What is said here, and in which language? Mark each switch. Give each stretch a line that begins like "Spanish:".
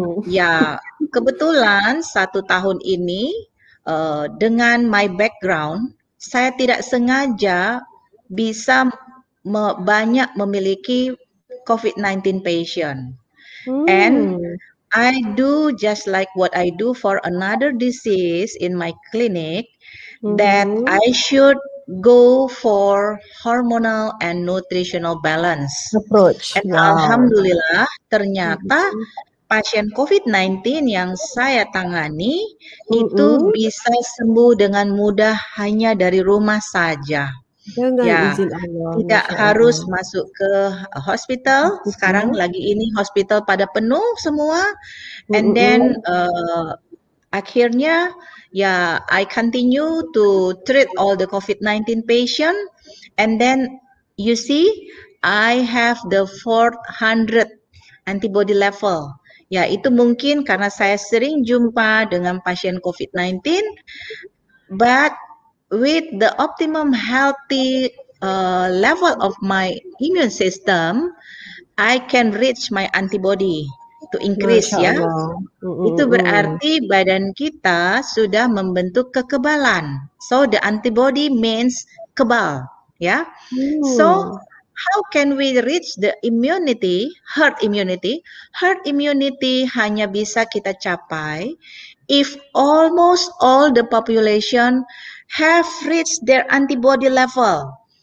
Indonesian: Ya, kebetulan satu tahun ini dengan
English: my background,
Indonesian: saya tidak sengaja bisa banyak memiliki COVID-19 patient.
English: And I do just like what I do for another disease in my clinic, that I should go for hormonal and nutritional balance approach.
Indonesian: And alhamdulillah, ternyata pasien COVID-19 yang saya tangani itu bisa sembuh dengan mudah hanya dari rumah saja. Tidak harus masuk ke hospital. Sekarang lagi ini hospital pada penuh semua.
English: And then
Indonesian: akhirnya ya
English: I continue to treat all the COVID-19 patient. And then you see I have the 400 antibody level.
Indonesian: Ya, itu mungkin karena saya sering jumpa dengan pasien COVID-19.
English: But with the optimum healthy level of my immune system, I can reach my antibody to increase.
Indonesian: Itu berarti badan kita sudah membentuk kekebalan.
English: So the antibody means kebal. So how can we reach the immunity, herd immunity? Herd immunity
Indonesian: hanya bisa kita capai
English: if almost all the population have reached their antibody level.